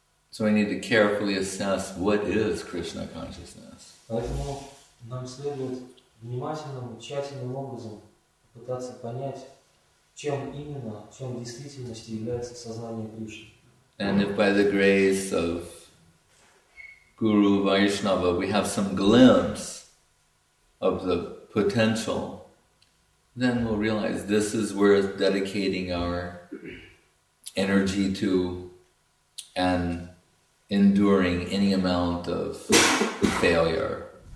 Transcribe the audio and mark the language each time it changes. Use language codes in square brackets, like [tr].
[en] So we need to carefully assess what is Krishna consciousness. [ru] Поэтому нам следует внимательным, тщательным образом пытаться понять, чем именно, чем в действительности является сознание Кришны. [en] And if by the grace of Guru Vaishnava we have some glimpse of the potential, then we'll realize this is worth dedicating our energy to and enduring any amount of failure.